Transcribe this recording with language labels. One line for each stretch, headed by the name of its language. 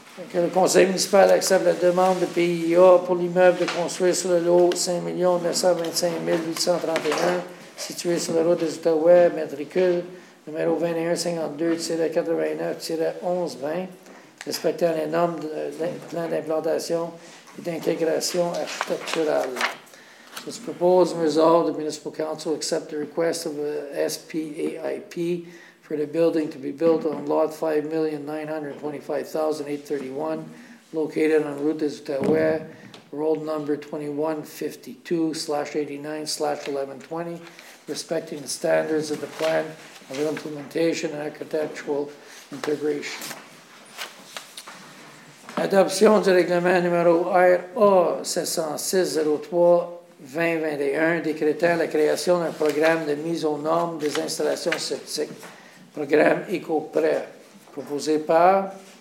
French: Oui, oui. Que le conseil municipal accepte la demande de PIA pour l'immeuble de construire sur le lot 5,925,831. Situé sur la route des Outaouais, matricule numéro 2152-89-1120, respectant les normes de plan d'implantation et d'intégration architecturale.
English: This proposed and resolved, the Municipal Council accept the request of a SPAIP for the building to be built on lot 5,925,831, located on Route des Outaouais, roll number 2152/89/1120. Respecting the standards of the plan of implementation and architectural integration.
French: Adoption du règlement numéro RA 706-03-2021 décrétant la création d'un programme de mise aux normes des installations sceptiques. Programme ÉcoPrêt. Proposé par?